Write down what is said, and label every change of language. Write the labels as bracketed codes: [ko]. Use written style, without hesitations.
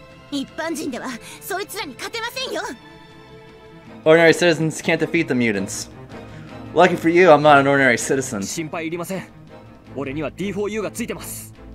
[ja] 一般人ではそいつらに勝てませんよ。 [en] Ordinary citizens can't defeat the mutants. Lucky for you, I'm not an ordinary citizen. [ja] 心配いりません。俺には D4U がついてます。